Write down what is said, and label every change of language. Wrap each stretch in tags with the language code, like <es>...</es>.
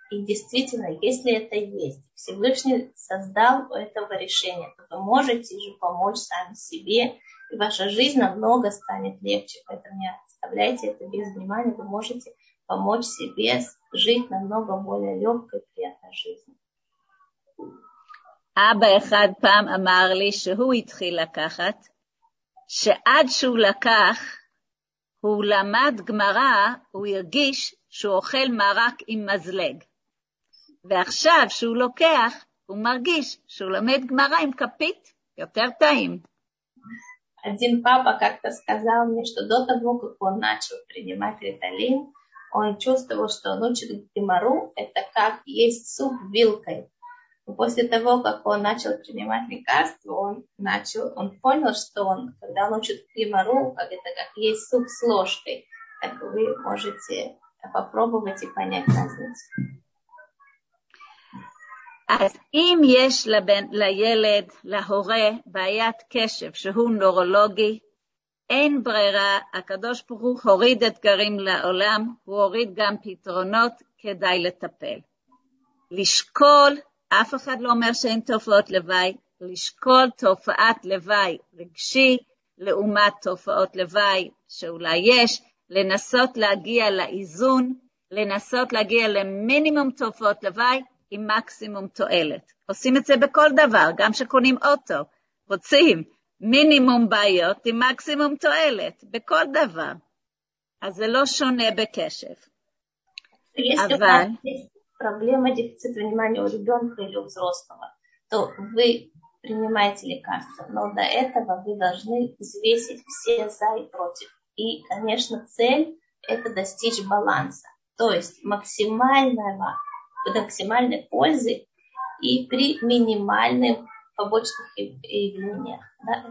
<ru>И действительно, если это есть, Всевышний создал у этого решения, то вы можете же помочь сами себе, и ваша жизнь намного станет легче. Поэтому не оставляйте это без внимания, вы можете помочь себе жить намного более легкой и приятной жизнью.</ru> <he>אבא אחד פעם אמר לי שהוא התחיל לקחת, שעד שהוא לקח, הוא למד גמרא, הוא הרגיש שהוא אוכל מרק עם מזלג. ועכשיו שהוא לוקח, הוא מרגיש שהוא למד גמרא עם כפית יותר טעים.</he> <ru>Один папа как-то сказал мне, что до того, как он начал принимать риталин, он чувствовал, что он учит гемару, это как есть суп вилкой. После того, как он начал принимать лекарства, он понял, что он, когда он учит гемару, как это как есть суп с ложкой, так вы можете попробовать и понять разницу.</ru> <he>אז אם יש לילד, להורה, בעיית קשב, שהוא נורולוגי, אין ברירה, הקדוש ברוך הוא הוריד אתגרים לעולם, הוא הוריד גם פתרונות כדאי לטפל. לשקול, אף אחד לא אומר שאין תופעות לוואי, לשקול תופעת לוואי רגשי, לעומת תופעות לוואי שאולי יש, לנסות להגיע לאיזון, לנסות להגיע למינימום תופעות לוואי עם מקסימום תועלת. עושים את זה בכל דבר, גם שקונים אוטו, רוצים מינימום בעיות עם מקסימום תועלת, בכל דבר. אז זה לא שונה בקשב. אבל...</he> <ru>проблема дефицита внимания у ребенка или у взрослого, то вы принимаете лекарства, но до этого вы должны взвесить все за и против. И, конечно, цель – это достичь баланса, то есть максимальной пользы и при минимальных побочных явлениях. Да?</ru>